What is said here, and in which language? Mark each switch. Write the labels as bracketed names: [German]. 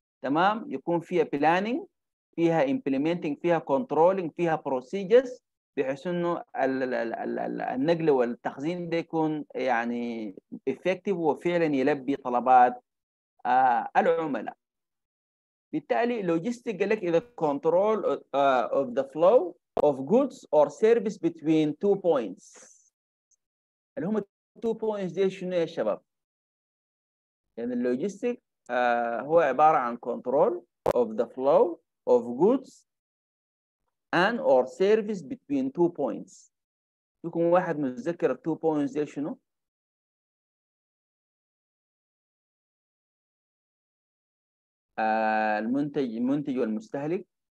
[Arabic] تمام، يكون فيها بلاننج، فيها امبلمنتنج، فيها كنترولنج، فيها بروسيجرز، بحيث انه النقل والتخزين ده يكون يعني effective وفعلا يلبي طلبات العملاء. بالتالي [English] logistics [Arabic] قال لك [English] is the control of the flow of goods or service between two points. [Arabic] اللي هم [English] two points [Arabic] دي شنو يا شباب؟ يعني [English] logistics [Arabic] هو عبارة عن [English] control of the flow of goods and or service between two points. [Arabic] يكون واحد متذكر two points دي شنو؟ المنتج والمستهلك.